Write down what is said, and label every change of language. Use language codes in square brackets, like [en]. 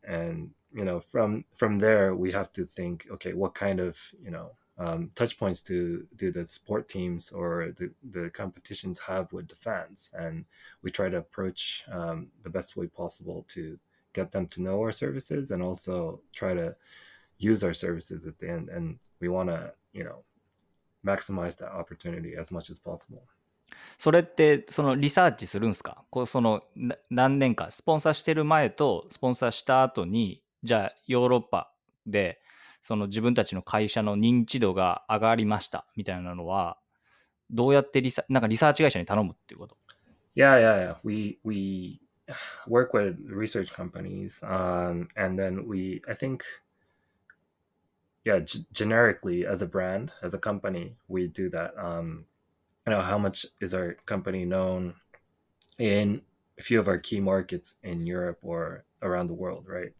[en] And, you know, from there, we have to think, okay, what kind of, you know, touch points do the sport teams or the competitions have with the fans? And we try to approach the best way possible to get them to know our services and also try to,use our services at the end, and we want to, you know, maximize that opportunity as much as possible. [ja] それってそのリサーチするんですか？こうその何年かスポンサーしてる前とスポンサーした後に、じゃあヨーロッパでその自分たちの会社の認知度が上がりましたみたいなのはどうやってリサーチ会社に頼むっていうこと？ [en] Yeah, yeah, yeah. We work with research companies, and then we, I think, yeah, generically as a brand, as a company, we do that. You know, how much is our company known in a few of our key markets in Europe or around the world, right?